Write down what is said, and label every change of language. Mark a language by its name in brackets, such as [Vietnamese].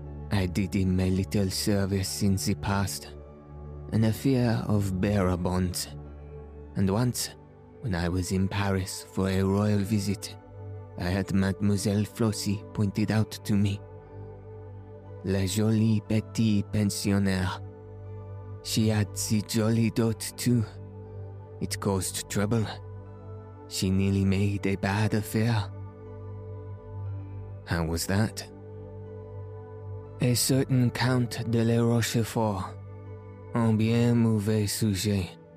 [English] I did him a little service in the past, an affair of bearer bonds, and once, when I was in Paris for a royal visit, I had Mademoiselle Flossie pointed out to me. [French] La jolie petite pensionnaire. [English] She had the jolly dot too. It caused trouble. She nearly made a bad affair. How was that? A certain Count de la Rochefort. [French] Un bien mauvais sujet.